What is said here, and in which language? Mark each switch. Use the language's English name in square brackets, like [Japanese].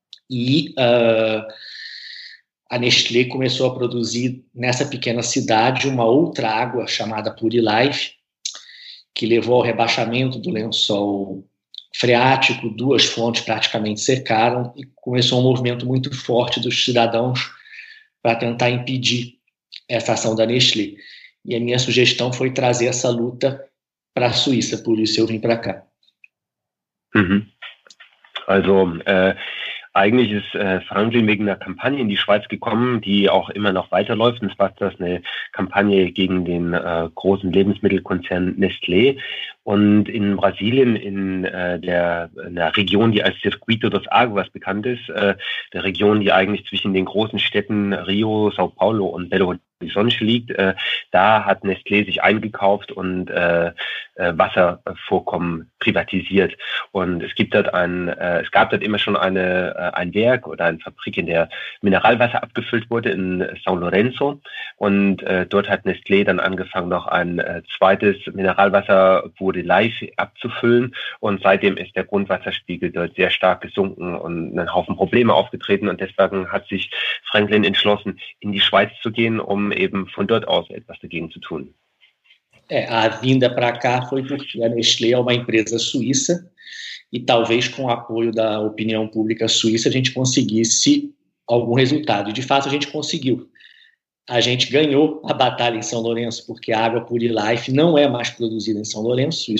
[Portuguese] E a Nestlé começou a produzir nessa pequena cidade uma outra água chamada Purilife, que levou ao rebaixamento do lençol freático. Duas fontes praticamente secaram e começou um movimento muito forte dos cidadãos para tentar impedir essa ação da Nestlé. E a minha sugestão foi trazer essa luta para a Suíça, por isso eu vim para cá. Uhum. [German] Also, eigentlich ist Franklin wegen einer Kampagne in die Schweiz gekommen, die auch immer noch weiterläuft. Und zwar ist das eine Kampagne gegen den großen Lebensmittelkonzern Nestlé. Und in Brasilien, in der Region, die als Circuito dos Águas bekannt ist, der Region, die eigentlich zwischen den großen Städten Rio, São Paulo und Belo Horizonte die Sonne liegt, da hat Nestlé sich eingekauft und Wasservorkommen privatisiert. Und es gibt dort es gab dort immer schon ein Werk oder eine Fabrik, in der Mineralwasser abgefüllt wurde in São Lourenço. Und dort hat Nestlé dann angefangen, noch ein zweites Mineralwasser wurde live abzufüllen. Und seitdem ist der Grundwasserspiegel dort sehr stark gesunken und ein Haufen Probleme aufgetreten. Und deswegen hat sich Franklin entschlossen, in die Schweiz zu gehen, um eben von dort aus etwas dagegen zu tun. [Portuguese] A vinda para cá foi porque a Nestlé é uma empresa suíça e talvez com o apoio da opinião pública suíça a gente conseguisse algum resultado. De fato, a gente conseguiu. A gente ganhou a batalha em São Lourenço porque a água Puri Life não é mais produzida em São Lourenço.